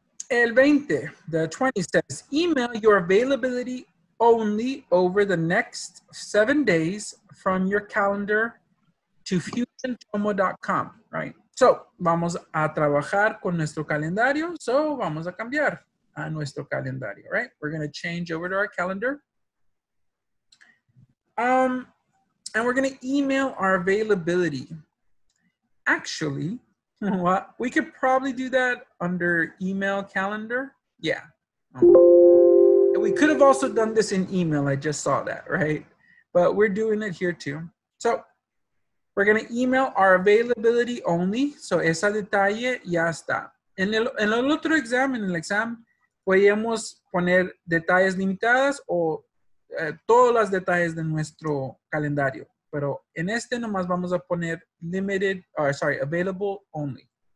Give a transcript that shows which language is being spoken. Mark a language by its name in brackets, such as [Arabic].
[Spanish] El 20, [English] the 20 says, email your availability only over the next 7 days from your calendar to fusiontomo.com, right? [Spanish] So, vamos a trabajar con nuestro calendario. So, vamos a cambiar a nuestro calendario, right? [English] We're going to change over to our calendar. And we're going to email our availability. Actually, what? We could probably do that under email calendar. Yeah. We could have also done this in email. I just saw that, right? But we're doing it here too. So We're going to email our availability only. [Spanish] So ese detalle ya está. En el otro examen, el examen, podemos poner detalles limitadas o todos los detalles de nuestro calendario. Pero en este nomás vamos a poner [English] available only.